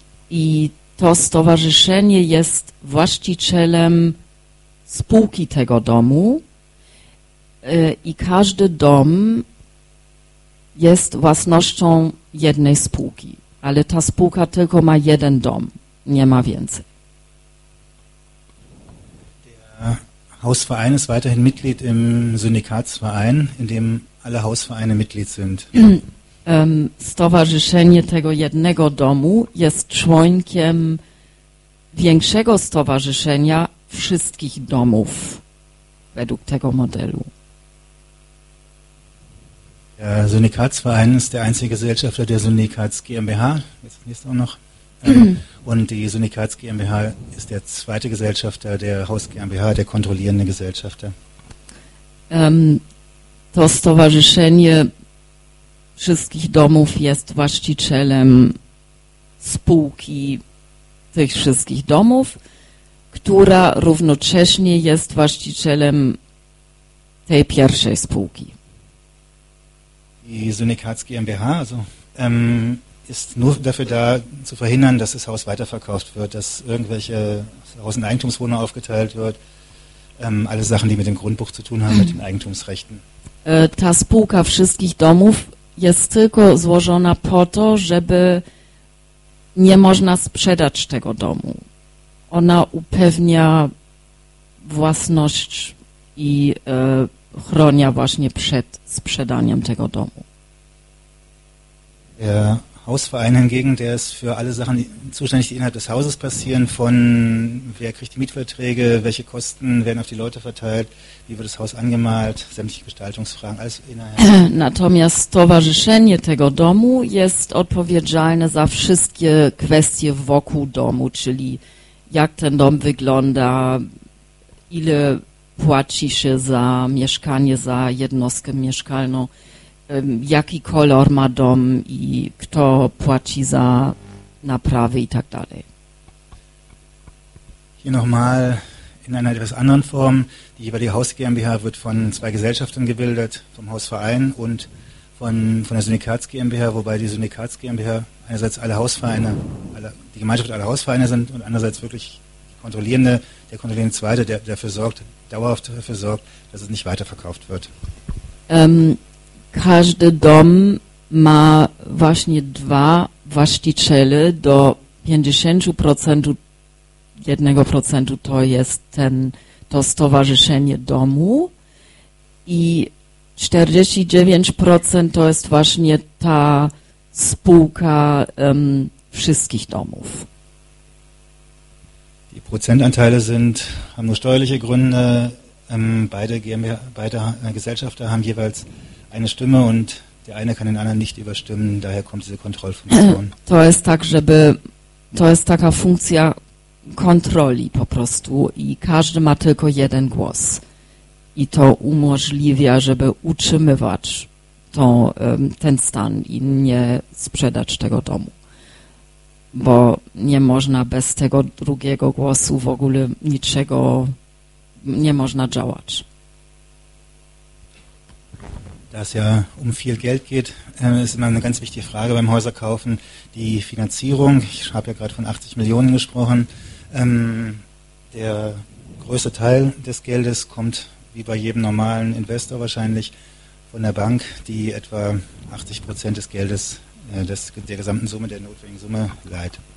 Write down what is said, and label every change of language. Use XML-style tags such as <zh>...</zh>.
<pl>I to stowarzyszenie jest właścicielem spółki tego domu. I każdy dom jest własnością jednej spółki. Ale ta spółka tylko ma jeden dom, nie ma więcej.</pl> <de>Hausverein ist weiterhin Mitglied im Syndikatsverein, in dem alle Hausvereine Mitglied sind.</de> <pl>Stowarzyszenie tego jednego domu jest członkiem większego stowarzyszenia wszystkich domów według tego modelu.</pl> <de>Der Syndikatsverein ist der einzige Gesellschafter der Syndikats GmbH. Jetzt nächste auch noch. Und die Syndikats GmbH ist der zweite Gesellschafter der Haus GmbH, der kontrollierende Gesellschafter.</de> <pl>To stowarzyszenie wszystkich domów jest właścicielem spółki tych wszystkich domów, która równocześnie jest właścicielem tej pierwszej spółki.</pl> <de>Die Syndikats GmbH, also ist nur dafür da, zu verhindern, dass das Haus weiterverkauft wird, dass irgendwelche Haus- und Eigentumswohner aufgeteilt wird, alle Sachen, die mit dem Grundbuch zu tun haben, mit den Eigentumsrechten.</de> <pl>Ta spółka wszystkich domów jest tylko złożona po to, żeby nie można sprzedać tego domu. Ona upewnia własność i chronia właśnie przed sprzedaniem tego domu.</pl> <de>Der Hausverein hingegen, der ist für alle Sachen zuständig, die innerhalb des Hauses passieren, von wer kriegt die Mietverträge, welche Kosten werden auf die Leute verteilt, wie wird das Haus angemalt, sämtliche Gestaltungsfragen, alles innerhalb.</de> <pl>Natomiast towarzyszenie tego domu jest odpowiedzialne za wszystkie kwestie wokół domu, czyli jak ten dom wygląda, ile płaci się za mieszkanie, za jednostkę mieszkalną, jaki kolor ma dom i kto płaci za naprawy i tak dalej.</pl> <de>Hier nochmal in einer etwas anderen Form. Die jeweilige Haus GmbH wird von zwei Gesellschaften gebildet, vom Hausverein und von der Syndikats GmbH, wobei die Syndikats GmbH einerseits alle Hausvereine, die Gemeinschaft aller Hausvereine sind und andererseits wirklich der kontrollierende Zweite, der dafür sorgt, dauerhaft dafür sorgt, dass es nicht weiterverkauft wird.</de> <pl>Każdy dom ma właśnie dwa właściciele, do 50% 1% to jest to stowarzyszenie domu i 49% to jest właśnie ta spółka wszystkich domów.</pl> <de>Die Prozentanteile haben nur steuerliche Gründe. Beide Gesellschafter haben jeweils eine Stimme und der eine kann den anderen nicht überstimmen, daher kommt diese Kontrollfunktion.</de> <pl>To jest tak, żeby to jest taka funkcja kontroli po prostu i każdy ma tylko jeden głos. I to umożliwia, żeby utrzymywać ten stan i nie sprzedać tego domu. Bo nie można bez tego drugiego głosu w ogóle niczego nie można działać.</pl> <de>Da es ja um viel Geld geht, ist immer eine ganz wichtige Frage beim Häuserkaufen, die Finanzierung. Ich habe ja gerade von 80 Millionen gesprochen. Der größte Teil des Geldes kommt, wie bei jedem normalen Investor wahrscheinlich, von der Bank, die etwa 80% des Geldes, der gesamten Summe, der notwendigen Summe leiht.</de>